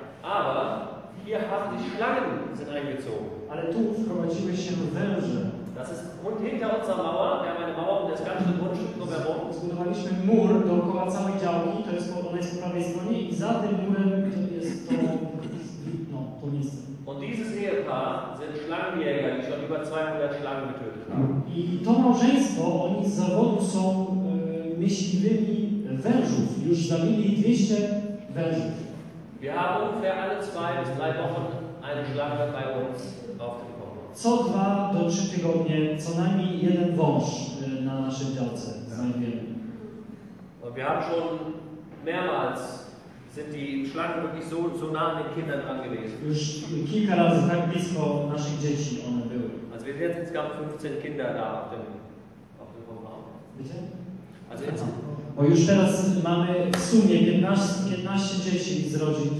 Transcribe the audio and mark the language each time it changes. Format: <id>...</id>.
<de>Aber hier haben die Schlangen sind eingezogen.</de> <pl>Ale tu wprowadziły się węże.</pl> <de>Das ist rund hinter unserer Mauer. Wir haben eine Mauer und das ganze Grundstück drüber rum.</de> <pl>Zbudowaliśmy mur dookoła całej działki. To jest po prawej stronie. I za tym murem jest to widno, to miejsce.</pl> <de>Und dieses Ehepaar sind Schlangenjäger, die schon über 200 Schlangen getötet haben.</de> <pl>I to małżeństwo, oni z zawodu są myśliwymi wężów. Już zabili 200 wężów.</pl> <de>Wir haben ungefähr alle 2 bis 3 Wochen eine Schlange bei uns auf dem Kopf.</de> <pl>Co 2 do 3 tygodnie co najmniej jeden wąż na naszej działce znajdujemy.</pl> <de>Und wir haben schon mehrmals sind die Schlangen wirklich so nah an den Kindern dran gewesen.</de> <pl>Już kilka razy tak blisko naszych dzieci one były.</pl> <de>Also wir sind insgesamt 15 Kinder da auf dem Kopf. Bitte?</de> <pl>Bo już teraz mamy w sumie 15 dzieci z rodzin</pl>